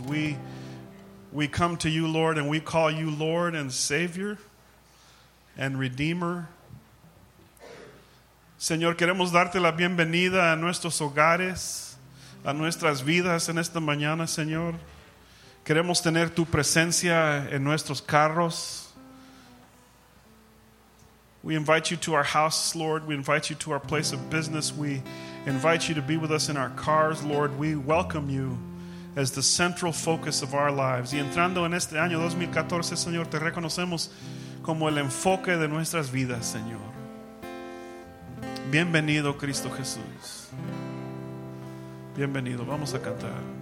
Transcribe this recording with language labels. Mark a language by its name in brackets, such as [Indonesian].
[English] We come to you, Lord, and we call you Lord and Savior and Redeemer. [Spanish] Señor, queremos darte la bienvenida a nuestros hogares, a nuestras vidas en esta mañana, Señor. Queremos tener tu presencia en nuestros carros. [English] We invite you to our house, Lord. We invite you to our place of business. We invite you to be with us in our cars, Lord. We welcome you as the central focus of our lives. [Spanish] Y entrando en este año 2014, Señor, te reconocemos como el enfoque de nuestras vidas, Señor. Bienvenido, Cristo Jesús. Bienvenido. Vamos a cantar.